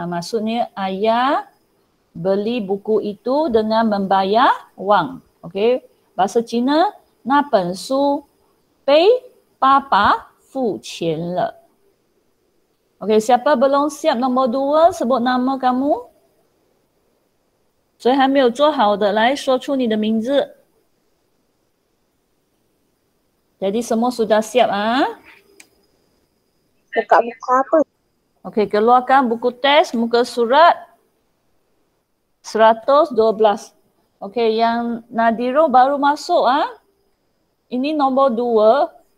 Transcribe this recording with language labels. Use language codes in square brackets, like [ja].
[ms] Maksudnya ayah beli buku itu dengan membayar wang. Okey. Bahasa Cina, [zh] na ben su bei papa fu qian le. [ms] Okey, siapa belum siap nombor dua, sebut nama kamu. [zh] 所以还没有做好的，来说出你的名字。 [ms] Jadi semua sudah siap ah? Buka buku apa? Okey, keluarkan buku teks muka surat 112. Okey, yang Nadiro baru masuk ah. Ini nombor 2.